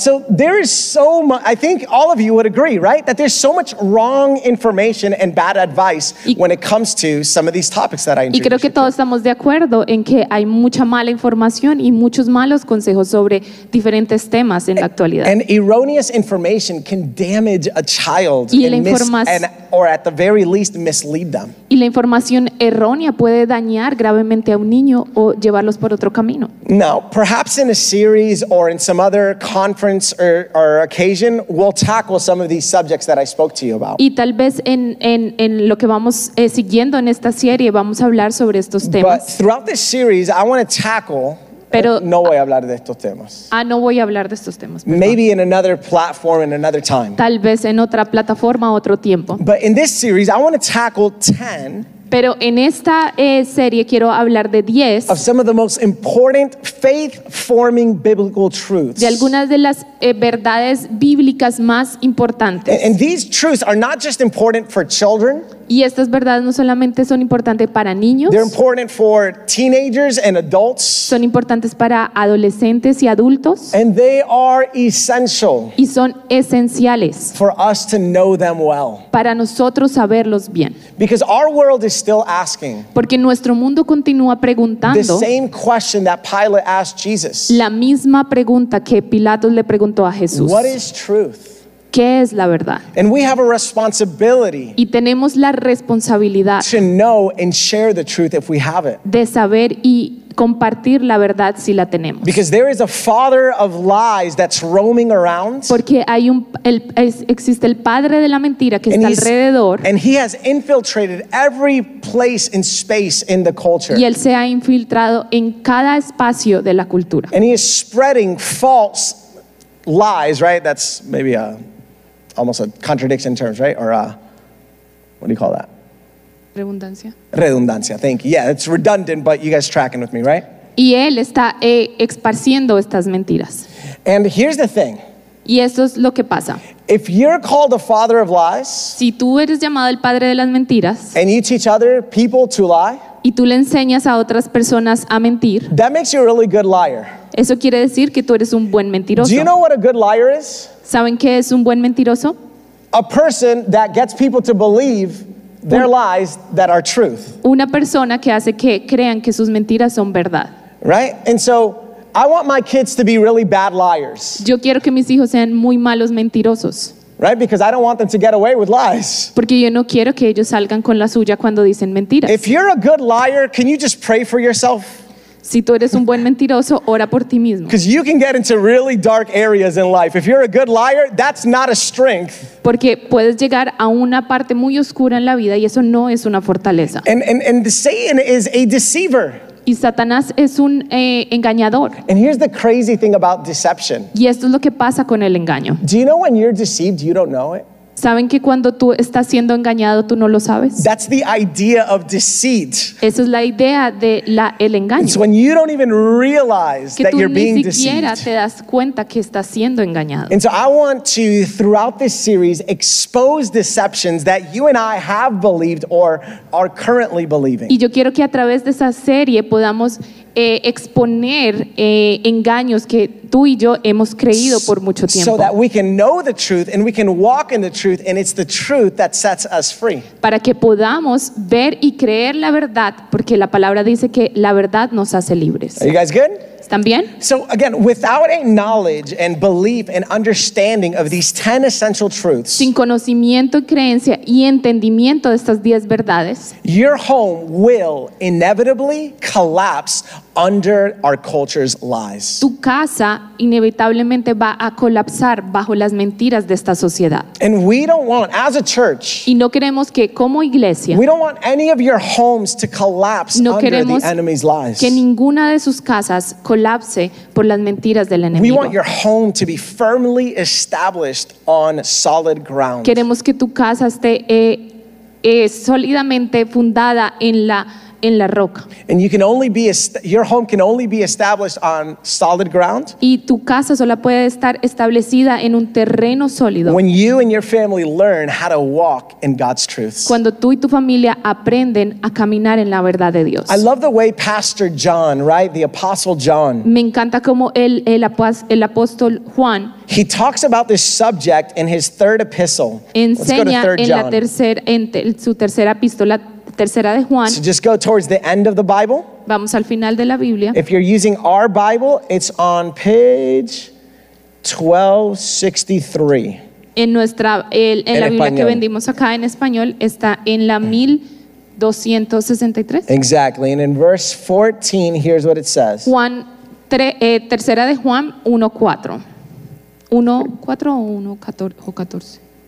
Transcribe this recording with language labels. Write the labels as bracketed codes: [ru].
[en] So there is so much, I think all of you would agree, right? That there's so much wrong information and bad advice when it comes to some of these topics that I introduced. [es] Y creo que todos estamos de acuerdo en que hay mucha mala información y muchos malos consejos sobre diferentes temas en la actualidad. [en] And erroneous information can damage a child or at the very least mislead them. [es] Y la información errónea puede dañar gravemente a un niño o llevarlos por otro camino. [en] Now, perhaps in a series or in some other conference or occasion, we'll tackle some of these subjects that I spoke to you about. [es] Y tal vez en lo que vamos siguiendo en esta serie, vamos a hablar sobre estos temas. [en] But throughout this series, I want to tackle... [es] Pero, no voy a hablar de estos temas. No voy a hablar de estos temas. Perdón. [en] Maybe in another platform in another time. [es] Tal vez en otra plataforma, otro tiempo. [en] But in this series, I want to tackle 10. [es] Pero en esta serie quiero hablar de 10 [en] of some of the most important faith-forming biblical truths. [es] De algunas de las verdades bíblicas más importantes. [en] And these truths are not just important for children. [es] Y estas verdades no solamente son importantes para niños. [en] They're important for teenagers and adults. [es] Son importantes para adolescentes y adultos. [en] And they are essential. [es] Y son esenciales. [en] For us to know them well. [es] Para nosotros saberlos bien. [en] Because our world is still asking. [es] Porque nuestro mundo continúa preguntando. [en] The same question that Pilate asked Jesus. [es] La misma pregunta que Pilatos le preguntó a Jesús. [en] What is truth? [es] ¿Qué es la verdad? [en] And we have a responsibility. [es] Y tenemos la responsabilidad. [en] To know and share the truth if we have it. [es] De saber y compartir la verdad si la tenemos. [en] Because there is a father of lies that's roaming around. [es] Porque hay existe el padre de la mentira que está alrededor. [en] And he has infiltrated every place and space in the culture. [es] Y él se ha infiltrado en cada espacio de la cultura. [en] And he is spreading false lies, right? That's maybe a almost a contradiction in terms, right? Or what do you call that? [es] Redundancia. [en] Redundancia, thank you. Yeah, it's redundant, but you guys tracking with me, right? [es] Y él está esparciendo estas mentiras. [en] And here's the thing. [es] Y esto es lo que pasa. [en] If you're called the father of lies, [es] si tú eres llamado el padre de las mentiras, [en] and you teach other people to lie, [es] y tú le enseñas a otras personas a mentir, [en] that makes you a really good liar. [es] Eso quiere decir que tú eres un buen mentiroso. [en] Do you know what a good liar is? [es] ¿Saben qué es un buen mentiroso? [en] A person that gets people to believe their lies that are truth. [es] Una persona que hace que crean que sus mentiras son verdad. [en] Right? And so I want my kids to be really bad liars. [es] Yo quiero que mis hijos sean muy malos mentirosos. [en] Right? Because I don't want them to get away with lies. [es] Porque yo no quiero que ellos salgan con la suya cuando dicen mentiras. [en] If you're a good liar, can you just pray for yourself? [es] Si tú eres un buen mentiroso, ora por ti mismo. [en] Because you can get into really dark areas in life. If you're a good liar, that's not a strength. [es] Porque puedes llegar a una parte muy oscura en la vida y eso no es una fortaleza. [en] And Satan is a deceiver. [es] Y Satanás es un engañador. [en] And here's the crazy thing about deception. [es] Y esto es lo que pasa con el engaño. [en] Do you know when you're deceived, you don't know it? [es] ¿Saben que cuando tú estás siendo engañado, tú no lo sabes? [en] That's the idea of deceit. [es] Esa es la idea de la, el engaño. [en] It's when you don't even realize [es] que [en] that you're being deceived. [es] Que tú ni siquiera te das cuenta que estás siendo engañado. [en] And so I want to, throughout this series, expose deceptions that you and I have believed or are currently believing. [es] Y yo quiero que a través de esa serie podamos exponer engaños que tú y yo hemos creído por mucho tiempo. [en] So that we can know the truth and we can walk in the truth, and it's the truth that sets us free. [es] Para que podamos ver y creer la verdad, porque la palabra dice que la verdad nos hace libres. [en] Are you guys good? [es] ¿Están bien? [en] So again, without a knowledge and belief and understanding of these 10 essential truths, [es] sin conocimiento, creencia y entendimiento de estas 10 verdades, [en] your home will inevitably collapse under our culture's lies. [es] Tu casa inevitablemente va a colapsar bajo las mentiras de esta sociedad. [en] And we don't want, as a church, [es] y no queremos que como iglesia, [en] we don't want any of your homes to collapse under the enemy's lies. [es] Que ninguna de sus casas colapse por las mentiras del enemigo. [en] We want your home to be firmly established on solid ground. [es] Queremos que tu casa esté sólidamente fundada en la roca. [en] And you can only be your home can only be established on solid ground. [es] Y tu casa solo puede estar establecida en un terreno sólido. [en] When you and your family learn how to walk in God's truths. [es] Cuando tú y tu familia aprenden a caminar en la verdad de Dios. [en] I love the way Pastor John, right, the Apostle John. [es] Me encanta como el apóstol Juan. [en] He talks about this subject in his third epistle. [es] Enseña en la tercera, su tercera epístola. Tercera de Juan. [en] So just go towards the end of the Bible. [es] Vamos al final de la Biblia. [en] If you're using our Bible, it's on page 1263. [es] En nuestra en la Biblia español. Que vendimos acá en español está en la 1263. [en] Exactly. And in verse 14, here's what it says. [es] Juan tercera de Juan 1:4. 1:4 o 1:14.